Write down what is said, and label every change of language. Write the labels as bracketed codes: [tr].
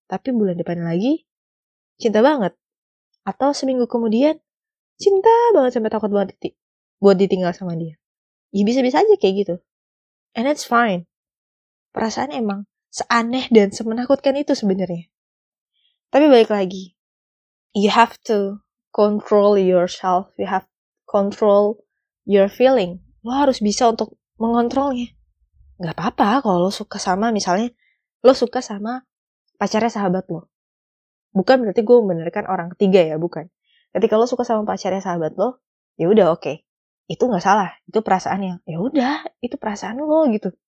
[id] Tapi bulan depan lagi, cinta banget. Atau seminggu kemudian, cinta banget sampai takut banget buat ditinggal sama dia. Ya bisa-bisa aja kayak gitu. [en] And it's fine. [id] Perasaan emang seaneh dan semenakutkan itu sebenarnya. [en] Tapi balik lagi, you have to control yourself, you have to control your feeling. [id] Lo harus bisa untuk mengontrolnya. Gak apa-apa kalau lo suka sama, misalnya lo suka sama pacarnya sahabat lo. Bukan berarti gue membenarkan orang ketiga ya, bukan. Ketika lo suka sama pacarnya sahabat lo, ya udah oke. Okay. Itu gak salah, itu perasaan yang, ya udah, itu perasaan lo gitu.